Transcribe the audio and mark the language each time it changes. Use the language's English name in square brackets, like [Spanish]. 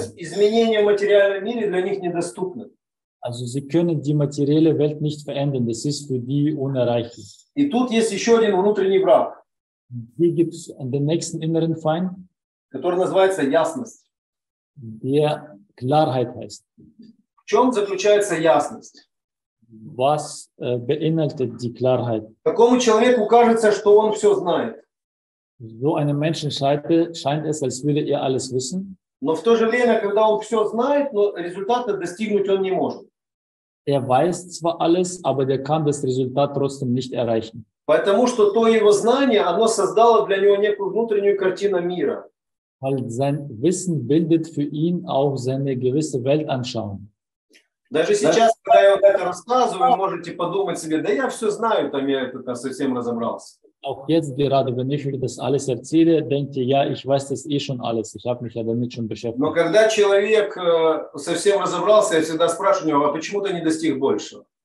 [Russian] То есть, изменение материального мира для них недоступно. [German] Also sie können die materielle Welt nicht verändern, das ist für die unerreichlich. [Russian] И тут есть еще один внутренний враг. [German] Hier gibt es den nächsten inneren Feind. [Russian] Который называется ясность. [German] Der Klarheit heißt. [Russian] В чем заключается ясность? [German] Was beinhaltet die Klarheit? [Russian] Такому человеку кажется, что он все знает. [German] So einem Menschen scheint es, als würde er alles wissen. [Russian] Но в то же время, когда он все знает, но результата достигнуть он не может. [German] Er weiß zwar alles, aber der kann das Resultat trotzdem nicht erreichen. [Russian] Потому что то его знание, оно создало для него некую внутреннюю картину мира. [German] Weil sein Wissen bildet für ihn auch seine gewisse Weltanschauung. [Russian] Даже сейчас, когда я вам это рассказываю, вы можете подумать себе, да я все знаю, там я это там совсем разобрался. [German] Auch jetzt gerade, wenn ich das alles erzähle, denkt ihr, ja, ich weiß das eh schon alles. Ich habe mich ja damit schon beschäftigt. [Russian] Но когда человек совсем разобрался, я всегда спрашиваю его, а почему ты не достиг больше?